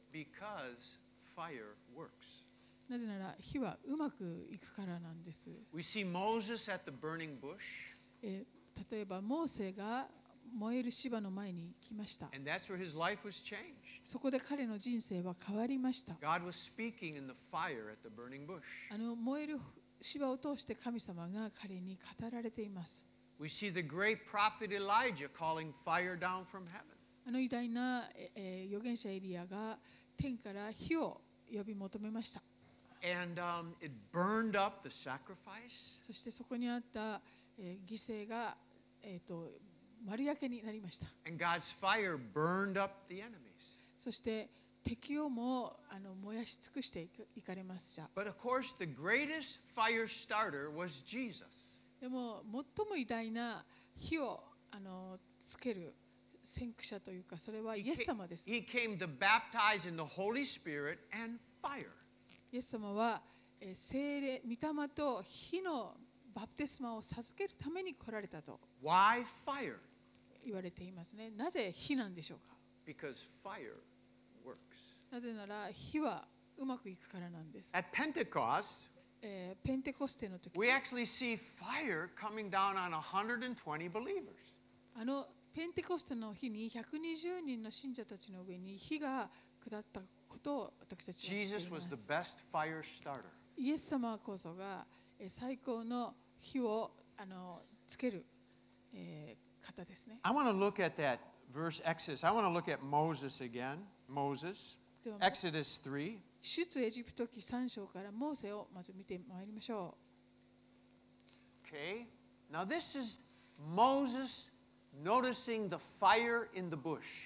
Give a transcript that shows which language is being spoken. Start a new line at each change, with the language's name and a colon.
English: Because fire works.
Japanese: なぜなら火はうまくいくからなんです。
English: We see Moses at the burning bush.
Japanese: 例えばモーセが燃える芝の前に来ました。
English: And that's where his life was changed.
Japanese: そこで彼の人生は変わりました。
English: God was speaking in the fire at the burning bush.
Japanese: あの燃える芝を通して神様が彼に語られています。
English: We see the great prophet Elijah calling fire down from heaven.
Japanese: あの偉大な、預言者エリアが天から火を呼び求めました。
English: And, it burned up the sacrifice.
Japanese: そしてそこにあった、犠牲が、丸焼けになりました。
English: And God's fire burned up the enemies.
Japanese: そして敵をも燃やし尽くしていかれました。
English: But of course, the greatest fire starter was Jesus.
Japanese: でも最も偉大な火をつける先駆者というかそれはイエス様です。
English: He came to baptize in the Holy Spirit and fire.
Japanese: イエス様は聖霊、御霊と火のバプテスマを授けるために来られたと。
English: Why fire?
Japanese: 言われていますね。なぜ火なんでしょうか。
English: Because fire works.
Japanese: なぜなら火はうまくいくからなんです。
English: At Pentecost,
Japanese: ペンテコステの時、
English: we actually see fire coming down on 120 believers.
Japanese: あのペンテコステの日に120人の信者たちの上に火が下ったことを私たちは知っています。
English: Jesus was the best fire starter.
Japanese: イエス様こそが最高の火をつける、方ですね。
English: I want to look at that verse Exodus. I want to look at Moses again. Moses. Exodus 3.
Japanese: 出エジプト記3章からモーセをまず見てまいりましょう。
English: Okay. Now this is Moses noticing the fire in the bush.